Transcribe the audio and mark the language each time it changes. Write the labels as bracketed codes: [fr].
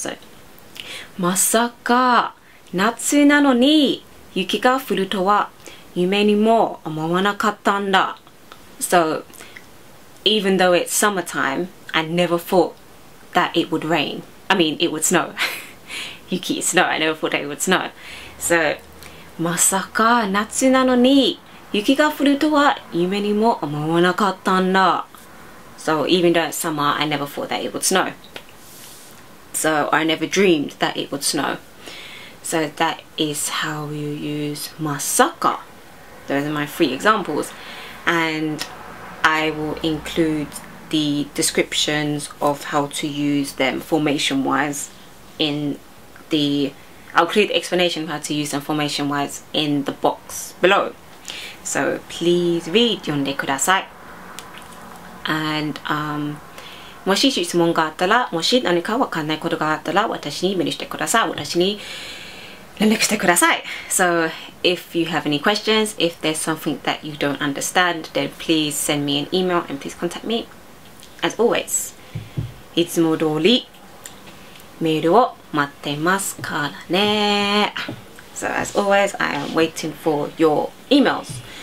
[ja] So, まさか夏なのに雪が降るとは夢にも思わなかったんだ。 [en] So, even though it's summertime, I never thought that it would rain. I mean, it would snow. 雪 snow. I never thought that it would snow. [ja] So, まさか夏なのに雪が降るとは夢にも思わなかったんだ。 [en] So, even though it's summer, I never thought that it would snow. So, I never dreamed that it would snow. So, that is how you use まさか. Those are my three examples. And I will include the descriptions of how to use them formation-wise in theI'll include the explanation of how to use them formation-wise in the box below. So please read, [ja] 読んでください。 And, もし質問があったら、もし何かわかんないことがあったら、私にメールしてください。私に連絡してください。 [en] So if you have any questions, if there's something that you don't understand, then please send me an email and please contact me. As always, [ja] いつも通り、メールを待ってますからね。 [en] So as always, I am waiting for your emails.